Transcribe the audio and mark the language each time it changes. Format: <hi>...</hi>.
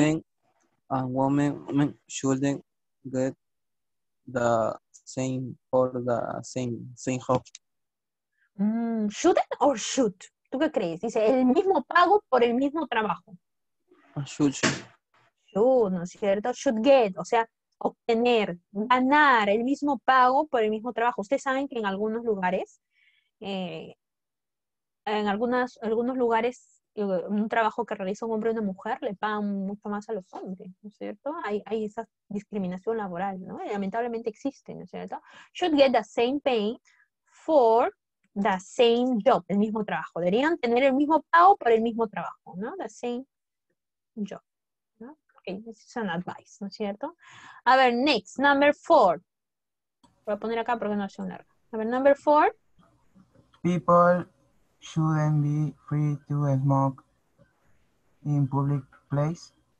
<en>Men and women shouldn't get the same for the same job. Shouldn't or should?</en> <es>¿Tú qué crees? Dice, el mismo pago por el mismo trabajo.</es> <en>Should,</en> <es>¿no es cierto?</es> <en>Should get,</en> <es>o sea, obtener, ganar el mismo pago por el mismo trabajo. Ustedes saben que en algunos lugares, algunos lugares, un trabajo que realiza un hombre o una mujer le pagan mucho más a los hombres, ¿no es cierto? Hay esa discriminación laboral, ¿no? Y lamentablemente existe, ¿no es cierto?</es> <en>Should get the same pay for the same job,</en> <es>el mismo trabajo. Deberían tener el mismo pago por el mismo trabajo, ¿no?</es> <en>The same job,</en> <es>¿no?</es> <en>Okay, this is an advice,</en> <es>¿no es cierto? A ver,</es> <en>next, number four.</en> <es>Voy a poner acá porque no ha sido largo. A ver,</es> <en>number four. People shouldn't be free to smoke in public place.</en>